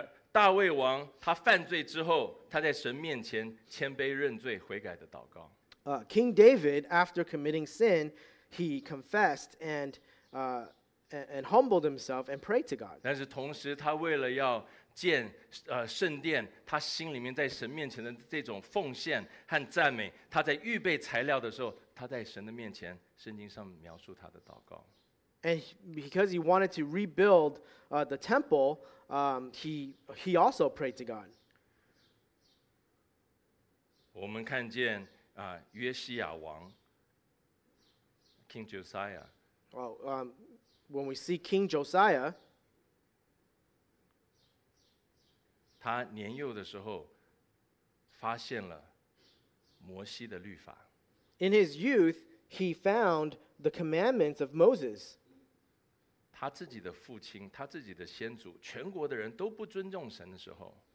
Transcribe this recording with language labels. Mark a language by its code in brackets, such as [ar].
[zh] 大卫王他犯罪之后，他在神面前谦卑认罪悔改的祷告。 [en] King David, after committing sin, he confessed and humbled himself and prayed to God. [zh] 但是同时他为了要建圣殿，他心里面在神面前的这种奉献和赞美，他在预备材料的时候，他在神的面前，圣经上描述他的祷告。 [en] And because he wanted to rebuild the temple, he also prayed to God. [zh] 我们看见约西亚王 King Josiah. [en] Well, when we see King Josiah. [zh] 他年幼的时候发现了摩西的律法。 [en] In his youth, he found the commandments of Moses. [zh] 他自己的父亲，他自己的先祖，全国的人都不尊重神的时候。